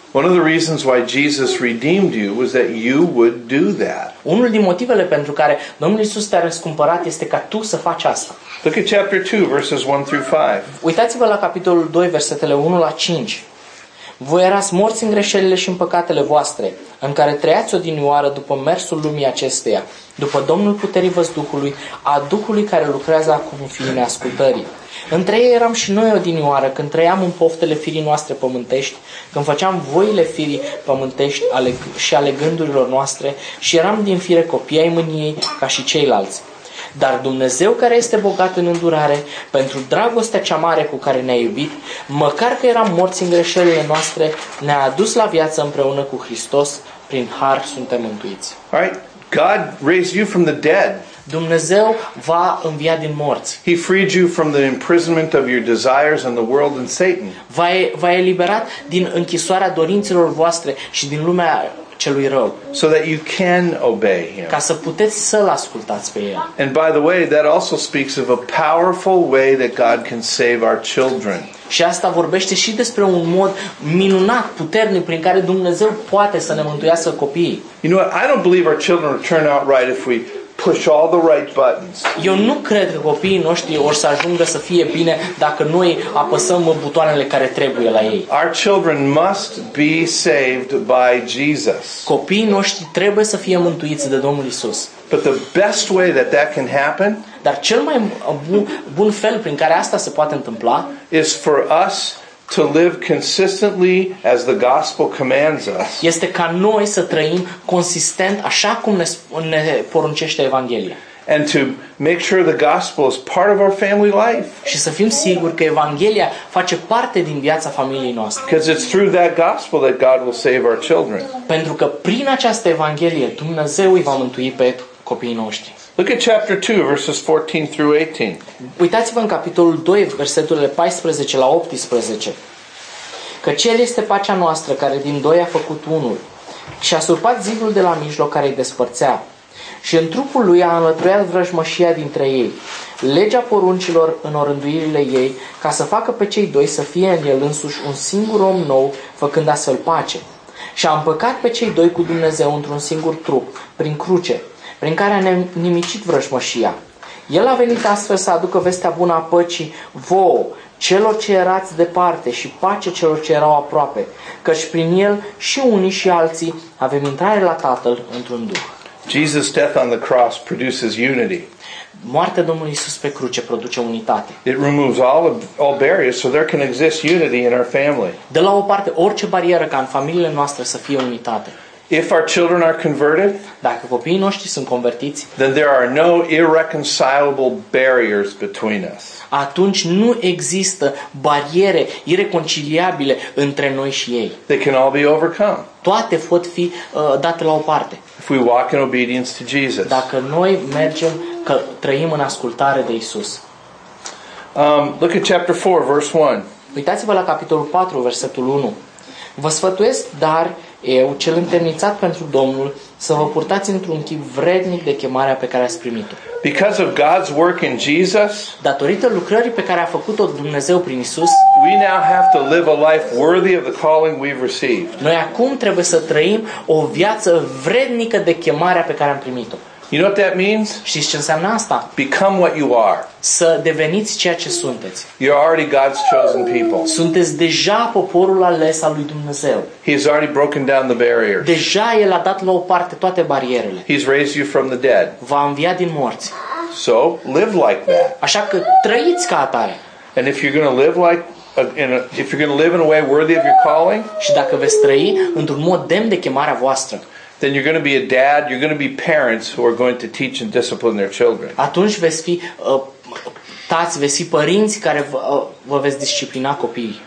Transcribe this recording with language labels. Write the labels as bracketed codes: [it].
[en] One of the reasons why Jesus redeemed you was that you would do that. [ro] Unul din motivele pentru care Domnul Iisus te-a răscumpărat este ca tu să faci asta. [en] Look at chapter 2, verses 1 through 5. [ro] Uitați-vă la capitolul 2, versetele 1 la 5. Voi erați morți în greșelile și în păcatele voastre, în care trăiați odinioară după mersul lumii acesteia, după Domnul puterii văzduhului, a Duhului care lucrează acum în firii neascultării. Între ei eram și noi odinioară, când trăiam în poftele firii noastre pământești, când făceam voile firii pământești și ale gândurilor noastre și eram din fire copii ai mâniei ca și ceilalți. Dar Dumnezeu, care este bogat în îndurare, pentru dragostea cea mare cu care ne-a iubit, măcar că eram morți în greșelile noastre, ne-a adus la viață împreună cu Hristos, prin har suntem mântuiți. [en] All right. God raised you from the dead. [ro] Dumnezeu v-a înviat din morți. [en] He freed you from the imprisonment of your desires and the world and Satan. [ro] V-a eliberat din închisoarea dorințelor voastre și din lumea celui rău. [en] So that you can obey him. [ro] Ca să puteți să-l ascultați pe el. [en] And by the way, that also speaks of a powerful way that God can save our children. [ro] Și asta vorbește și despre un mod minunat, puternic, prin care Dumnezeu poate să ne mântuiască copiii. [en] You know what? I don't believe our children will turn out right if we push all the right buttons. [ro] Eu nu cred că copiii noștri or să ajungă să fie bine dacă noi apăsăm butoanele care trebuie la ei. [en] Our children must be saved by Jesus. [ro] Copiii noștri trebuie să fie mântuiți de Domnul Iisus. [en] But the best way that that can happen, [ro] dar cel mai bun fel prin care asta se poate întâmpla, [en] is for us to live consistently as the gospel commands us. [ro] Este ca noi să trăim consistent așa cum ne poruncește Evanghelia. [en] And to make sure the gospel is part of our family life. [ro] Și să fim siguri că Evanghelia face parte din viața familiei noastre. [en] Because it's through that gospel that God will save our children. [ro] Pentru că prin această Evanghelie Dumnezeu îi va mântui pe copiii noștri. [en] Look at chapter 2, verses 14 through 18. [ro] Uitați-vă în capitolul 2, versetele 14 la 18. Căci El este pacea noastră, care din doi a făcut unul, și a surpat zidul de la mijloc care îi despărțea, și în trupul Lui a înlătruiat vrăjmășia dintre ei, legea poruncilor în orânduirile ei, ca să facă pe cei doi să fie în El însuși un singur om nou, făcând astfel pace. Și a împăcat pe cei doi cu Dumnezeu într-un singur trup, prin cruce, prin care a nimicit vrăjmășia. El a venit astfel să aducă vestea bună a păcii vouă, celor ce erați departe, și pace celor ce erau aproape, căci prin el și unii și alții avem intrare la Tatăl într-un Duh. [en] Jesus' death on the cross produces unity. [ro] Moartea Domnului Iisus pe cruce produce unitate. [en] It removes all barriers so there can exist unity in our family. [ro] De la o parte, orice barieră ca în familiile noastre să fie unitate. [en] If our children are converted, [ro] dacă copiii noștri sunt convertiți, [en] then there are no irreconcilable barriers between us. [ro] Atunci nu există bariere ireconciliabile între noi și ei. [en] They can all be overcome. [ro] Toate pot fi date la o parte. [en] If we walk in obedience to Jesus. [ro] Dacă noi mergem că trăim în ascultare de Isus. [en] Look at chapter 4, verse 1. [ro] Uitați-vă la capitolul 4, versetul 1. Vă sfătuiesc, dar eu, cel întemnițat pentru Domnul, să vă purtați într-un chip vrednic de chemarea pe care ați primit-o. [en] Because of God's work in Jesus, [ro] datorită lucrării pe care a făcut-o Dumnezeu prin Isus, [en] we now have to live a life worthy of the calling we've received. [ro] Noi acum trebuie să trăim o viață vrednică de chemarea pe care am primit-o. [en] You know what that means? [ro] Știți ce înseamnă asta? [en] Become what you are. [ro] Să deveniți ceea ce sunteți. [en] You're already God's chosen people. [ro] Sunteți deja poporul ales al lui Dumnezeu. [en] He's already broken down the barriers. [ro] Deja el a dat la o parte toate barierele. [en] He's raised you from the dead. [ro] V-a înviat din morți. [en] So, live like that. [ro] Așa că trăiți ca atare. [en] And if you're going to live like if you're going to live in a way worthy of your calling, [ro] și dacă veți trăi într-un mod demn de chemarea voastră, [en] then you're going to be a dad, you're going to be parents who are going to teach and discipline their children. [ro] Atunci veți fi tați, veți fi părinți care vă veți disciplina copiii.